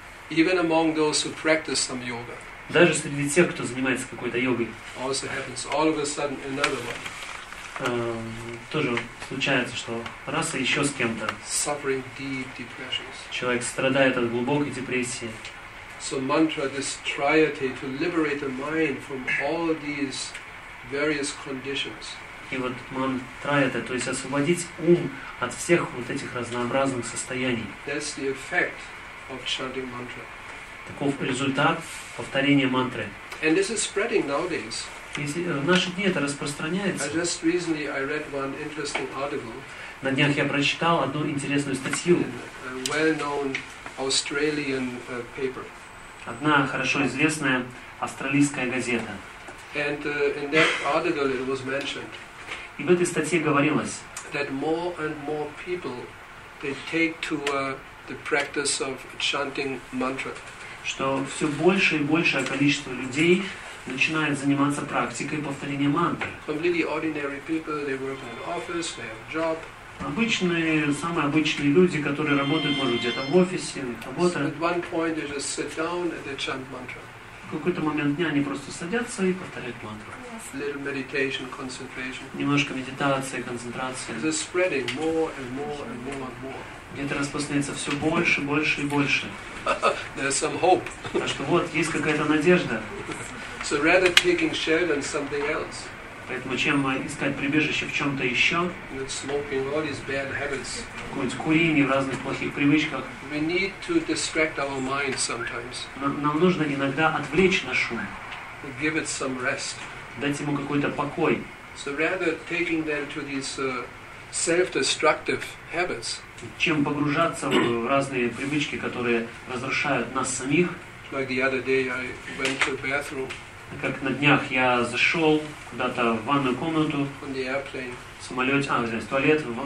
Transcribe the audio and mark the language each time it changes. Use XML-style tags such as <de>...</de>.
<en>Even among those who practice some yoga.</en> <ru>Даже среди тех, кто занимается какой-то йогой.</ru> <en>Also happens all of a sudden another one.</en> <ru>Тоже случается, что раз и еще с кем-то.</ru> <en>Suffering deep depressions.</en> <ru>Человек страдает от глубокой депрессии.</ru> <en>So mantra, this triade to liberate the mind from all these various conditions.</en> <ru>И вот мантра это, то есть освободить ум от всех вот этих разнообразных состояний.</ru> <en>That's the effect of chanting mantra.</en> <ru>Таков результат повторения мантры.</ru> <en>And this is spreading nowadays.</en> <ru>В наши дни это распространяется.</ru> <en>I just recently I read one interesting article.</en> <ru>На днях я прочитал одну интересную статью.</ru> <en>In a well-known Australian paper.</en> <ru>Одна хорошо известная австралийская газета.</ru> <en>And in that article it was mentioned.</en> <ru>И в этой статье говорилось.</ru> <en>That more and more people they take to the practice of chanting mantra.</en> <ru>Что все больше и большее количество людей начинает заниматься практикой повторения мантры.</ru> <en>Completely ordinary people, they work in an office, they have a job.</en> <ru>Обычные, самые обычные люди, которые работают, может, где-то в офисе, работают.</ru> <en>At one point they just sit down and they chant mantra.</en> <ru>В какой-то момент дня они просто садятся и повторяют мантру.</ru> <en>Little meditation, concentration.</en> <ru>Немножко медитации, концентрации.</ru> <en>It's spreading more and more and more and more.</en> <ru>Где-то распространяется все больше, больше и больше.</ru> <en>There's some hope.</en> <ru>А что вот, есть какая-то надежда.</ru> <en>So rather taking shelter in something else.</en> <ru>Поэтому чем искать прибежище в чем-то еще?</ru> <en>Smoking, all these bad habits.</en> <ru>Какое-нибудь курение в разных плохих привычках.</ru> <en>We need to distract our mind sometimes.</en> <ru>Нам нужно иногда отвлечь наш ум.</ru> <en>Give it some rest.</en> <ru>Дать ему какой-то покой.</ru> <en>So rather taking them to these self-destructive habits.</en> <ru>Чем погружаться в разные привычки, которые разрушают нас самих.</ru> <en>Like the other day I went to the bathroom.</en> <ru>Как на днях я зашел куда-то в ванную комнату, в самолете, в туалет.</ru>